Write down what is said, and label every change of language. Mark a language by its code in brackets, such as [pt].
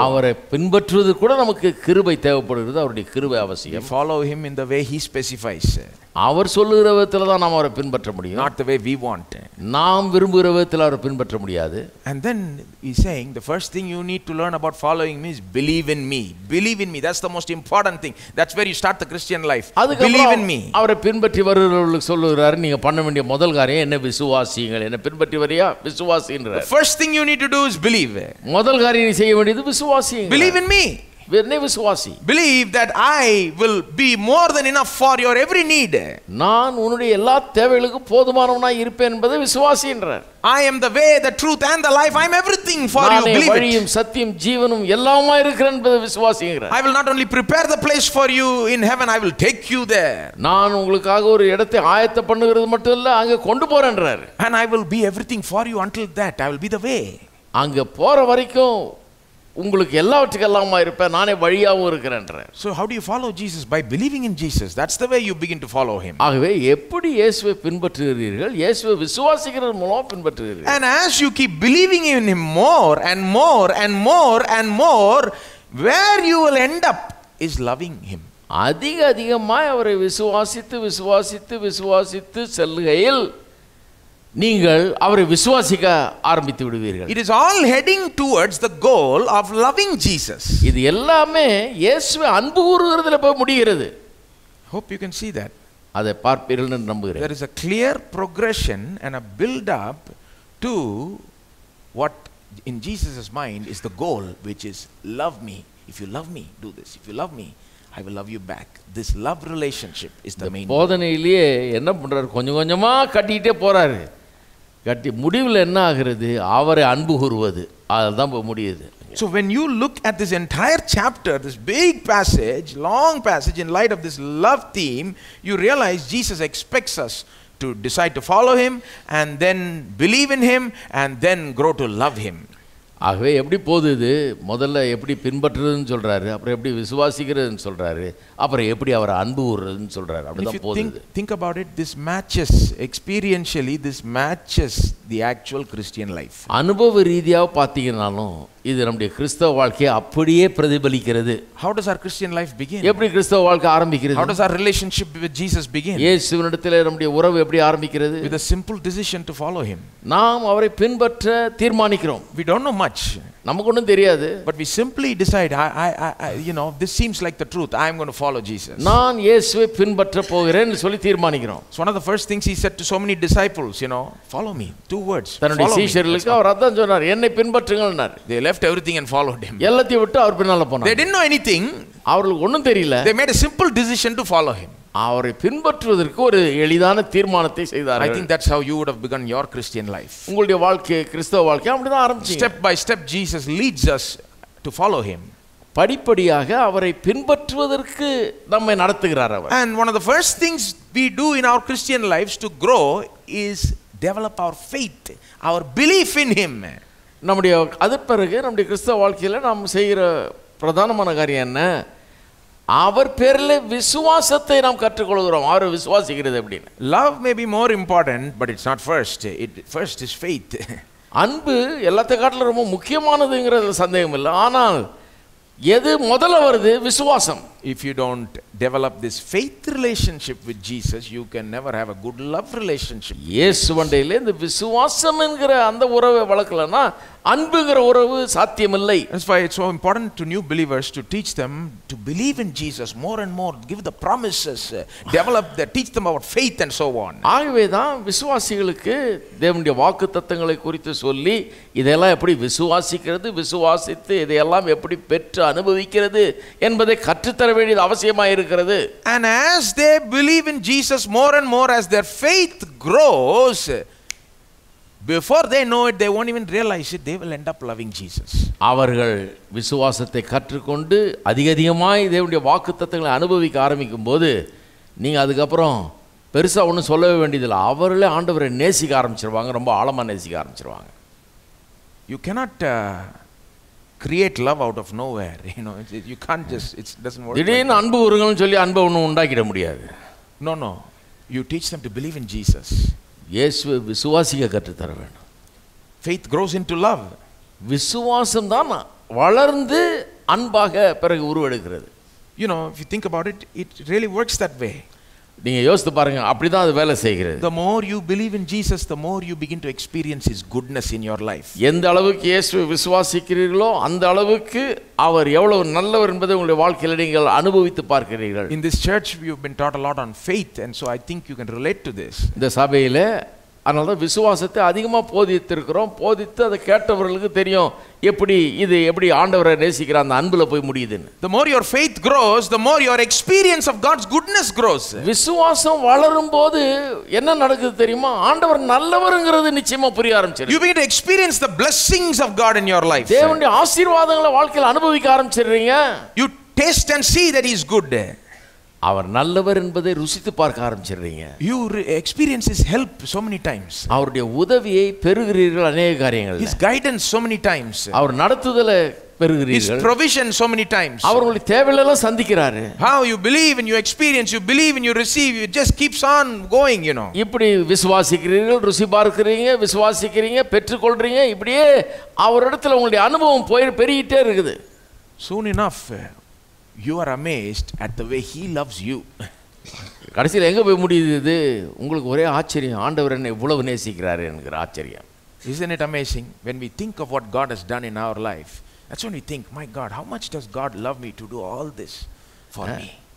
[ta] அவரை பின்பற்றுவது கூட நமக்கு கிருபை தேவைப்படுகிறது, அவருடைய கிருபை அவசியம். [en] We follow him in the way he specifies. [ta] அவர் சொல்லுகிற விதத்தில் தான் நாம் அவரை பின்பற்ற முடியும். [en] Not the way we want. [ta] நாம் விரும்புகிற விதத்தில் அவரை பின்பற்ற முடியாது. [en] And then he's saying the first thing you need to learn about following me is believe in me. Believe in me. That's the most important thing. That's where you start the Christian life. Believe in me. [ta] அவரை பின்பற்றி வருகிறவர்களுக்கு சொல்லுகிறார், நீங்க பண்ண வேண்டிய முதல் காரியம் என்ன, விசுவாசியுங்கள். என்ன பின்பற்றி வரியா, விசுவாசின்றார். [en] The first thing you need to do is believe. [ta] முதல் காரியம் செய்ய வேண்டியது விசுவாசியுங்கள். [en] Believe in me. Believe that I will be more than enough for your every need. [ta] நான் உன்னுடைய எல்லா தேவைகளுக்கும் போதுமானவனாய் இருப்பேன் என்பது விசுவாசின்றார். [en] I am the way, the truth and the life. I am everything for you. Believe it. [ta] நானே சத்தியம் ஜீவனும் எல்லாமாய் இருக்கிறேன் என்பது விசுவாசிங்கற. [en] I will not only prepare the place for you in heaven, I will take you there. [ta] நான் உங்களுக்காக ஒரு இடத்தை ஆயத்தம் பண்ணுகிறது மட்டும் இல்ல, அங்க கொண்டு போறேன்றார். [en] And I will be everything for you until that. I will be the way. [ta] அங்க போற வரைக்கும் உங்களுக்கு எல்லாவற்றுக்கெல்லாமா இருப்பேன், நானே வழியாகவும் இருக்கிறேன். [en] So how do you follow Jesus? By believing in Jesus. That's the way you begin to follow him. [ta] ஆகவே எப்படி இயேசுவை பின்பற்றுகிறீர்கள், இயேசுவை விசுவாசிக்கிற மூலம் பின்பற்றுகிறீர்கள். [en] And as you keep believing in him more and more and more and more, where you will end up is loving him. [ta] அதிக அதிகமாய் அவரை விசுவாசித்து விசுவாசித்து விசுவாசித்து செல்கையில் நீங்கள் அவரை விசுவாசிக்க ஆரம்பித்து விடுவீர்கள். [en] It is all heading towards the goal of loving Jesus. [ta] இது எல்லாமே இயேசுவை அன்பு கூறுகிறதுல போய் முடிகிறது. [en] Hope you can see that. [ta] அதை பார்ப்பீர்கள் நம்புகிறேன். [en] There is a clear progression and a build up to what in Jesus's mind is the goal, which is love me. If you love me, do this. If you love me, I will love you back. This love relationship is the main. [ta] போதனையிலே என்ன பண்றாரு, கொஞ்சம் கொஞ்சமா கட்டிட்டே போறாரு. கட்டி முடிவுல என்ன ஆகிறது, அவரை அன்பு கூறுவது, அதுதான் போய் முடியுது. [en] So when you look at this entire chapter, this big passage, long passage in light of this love theme, you realize Jesus expects us to decide to follow him and then believe in him and then grow to love him. [ta] ஆகவே எப்படி போகுது, முதல்ல எப்படி பின்பற்றுறதுன்னு சொல்கிறாரு, அப்புறம் எப்படி விசுவாசிக்கிறதுன்னு சொல்கிறாரு, அப்புறம் எப்படி அவர் அன்பு கூறுறதுன்னு சொல்கிறார். அப்படிதான் போகுது. [en] Think about it, this matches experientially, this matches the actual Christian life. [ta] அனுபவ ரீதியாக பார்த்தீங்கன்னாலும் இது நம்முடைய கிறிஸ்தவ வாழ்க்கையை அப்படியே பிரதிபலிக்கிறது. [en] How does our Christian life begin? [ta] எப்படி கிறிஸ்தவ வாழ்க்கை ஆரம்பிக்கிறது? [en] How does our relationship with Jesus begin? [ta] இயேசுவினிடத்தில் நம்முடைய உறவு எப்படி ஆரம்பிக்கிறது? [en] With a simple decision to follow him. [ta] நாம் அவரை பின்பற்ற தீர்மானிக்கிறோம். [en] We don't know much. [ta] நமக்கு ஒன்றும் தெரியாது. [en] But we simply decide, I this seems like the truth. I am going to follow Jesus. [ta] நான் இயேசுவை பின்பற்ற போகிறேன்னு சொல்லி தீர்மானிக்கிறோம். [en] So one of the first things he said to so many disciples, follow me. Two words. [ta] தன்னுடைய சீஷர்களுக்கு அவர் அதான் சொன்னார், என்னை பின்பற்றுங்கள்னார். [en] They left everything and followed him. [ta] எல்லாத்தையும் விட்டு அவர் பின்னால போனார். [en] They didn't know anything. [ta] அவங்களுக்கு ஒன்றும் தெரியல. [en] They made a simple decision to follow him. [ta] அவரை பின்பற்றுவதற்கு ஒரு எளிதான தீர்மானத்தை செய்தார். [en] I think that's how you would have begun your Christian life. [ta] உங்களுடைய வாழ்க்கை கிறிஸ்தவ வாழ்க்கை அப்படி தான் ஆரம்பிச்சீங்க. [en] Step by step Jesus leads us to follow him. [ta] படிப்படியாக அவரை பின்பற்றுவதற்கு நம்மை நடத்துகிறார் அவர். [en] And one of the first things we do in our Christian lives to grow is develop our faith, our belief in him. [ta] நம்முடைய அதற்பிறகு நம்முடைய கிறிஸ்தவ வாழ்க்கையில் நாம் செய்கிற பிரதானமான காரியம் என்ன, அவர் பேரில் விசுவாசத்தை நாம் கற்றுக்கொள்கிறோம். அவர் விசுவாசிக்கிறது அப்படின்னு. [en] Love may be more important, but it's not first. It first is faith. [ta] அன்பு எல்லாத்த காட்டிலும் ரொம்ப முக்கியமானதுங்கிறது சந்தேகம் இல்லை. ஆனால் எது முதல்ல வருது, விசுவாசம். [en] If you don't develop this faith relationship with Jesus, you can never have a good love relationship. [ta] இயேசு வண்டையில் இந்த விசுவாசம் என்கிற அந்த உறவை வளர்க்கலன்னா அன்புங்கிற உறவு சாத்தியமில்லை. [en] That's why it's so important to new believers to teach them to believe in Jesus more and more, give the promises, develop the, teach them about faith and so on. [ta] ஆகவே தான் விசுவாசிகளுக்கு தேவனுடைய வாக்கு தத்தங்களை குறித்து சொல்லி இதெல்லாம் எப்படி விசுவாசிக்கிறது, விசுவாசித்து இதையெல்லாம் எப்படி பெற்று அனுபவிக்கிறது என்பதை கற்றுத்தர வேண்டியது அவசியமாக இருக்கிறது. [en] And as they believe in Jesus more and more, as their faith grows, before they know it, they won't even realize it, they will end up loving Jesus. [ta] அவர்கள் விசுவாசத்தை கற்றுக்கொண்டு அதிகமாய் தேவனுடைய வாக்குத்தத்தங்களை அனுபவிக்க ஆரம்பிக்கும் போது நீங்க அதுக்கப்புறம் பெருசா ஒன்றும் சொல்லவே வேண்டியதில்லை. அவர்களே ஆண்டவரை நேசிக்க ஆரம்பிச்சிருவாங்க, ரொம்ப ஆழமா நேசிக்க ஆரம்பிச்சிருவாங்க. [en] You cannot create love out of nowhere, you can't just, it doesn't work. [ta] திடீர்னு அன்பு உருங்கன்னு சொல்லி அன்பை ஒன்றும் உண்டாக்கிட முடியாது. [en] No, no. You teach them to believe in Jesus. [ta] இயேசுவை விசுவாசிக்க கற்றுத்தர வேணும். [en] Faith grows into love. [ta] விசுவாசம் தான் வளர்ந்து அன்பாக பிறகு உருவெடுக்கிறது. [en] You know, if you think about it, it really works that way. [ta] நீங்க யோசித்து பாருங்க, அப்படி தான் அது வேலை செய்கிறது. [en] The more you believe in Jesus, the more you begin to experience his goodness in your life. [ta] எந்த அளவுக்கு இயேசுவை விசுவாசிக்கிறீர்களோ அந்த அளவுக்கு அவர் எவ்வளவு நல்லவர் என்பதை உங்களுடைய வாழ்க்கையில் நீங்கள் அனுபவித்து பார்க்கிறீர்கள். [en] In this church we have been taught a lot on faith, and so I think you can relate to this. [ta] இந்த சபையில் அதனால விசுவாசத்தை அதிகமாக போதித்திருக்கிறோம். போதித்து அதை கேட்டவர்களுக்கு தெரியும் எப்படி இது எப்படி ஆண்டவரை நேசிக்கிற அந்த அன்புல போய் முடியுதுன்னு. [en] The more your faith grows, the more your experience of God's goodness grows. [ta] விசுவாசம் வளரும்போது என்ன நடக்குது தெரியுமா? ஆண்டவர் நல்லவர்ங்கிறது நிச்சயமா புரிய ஆரம்பிச்சிருக்கு. [en] You begin to experience the blessings of God in your life. [ta] தேவனுடைய ஆசீர்வாதங்களை வாழ்க்கையில அனுபவிக்க ஆரம்பிச்சிடுறீங்க. [en] You taste and see that he is good. [ta] அவர் நல்லவர் என்பதை ருசித்து பார்க்க ஆரம்பிச்சிடுறீங்க. [en] You experience his help so many times. [ta] அவருடைய உதவியை பெறுகிறீர்கள் அநேக காரியங்களில். [en] His guidance so many times. [ta] அவர் நடத்துதலை பெறுகிறீர்கள். [en] His provision so many times. [ta] அவர்களுடைய தேவைகளை சந்திக்கிறாரு. [en] How you believe and you experience, you believe and you receive, it just keeps on going, you know. [ta] இப்படி விசுவாசிக்கிறீர்கள், ருசி பார்க்கிறீங்க, விசுவாசிக்கிறீங்க, பெற்றுக்கொள்றீங்க, இப்படியே அவரிடத்துல உங்களுடைய அனுபவம் போய் பெருகிட்டே இருக்குது. [en] Soon enough you are amazed at the way he loves you. [ta] கடைசில எங்க போய் முடியுது? உங்களுக்கு ஒரே ஆச்சரியம், ஆண்டவர் என்ன இவ்வளவு நேசிக்கிறார் என்கிற ஆச்சரியம். [en] Isn't it amazing when we think of what God has done in our life? That's when we think, my God, how much does God love me to do all this for me?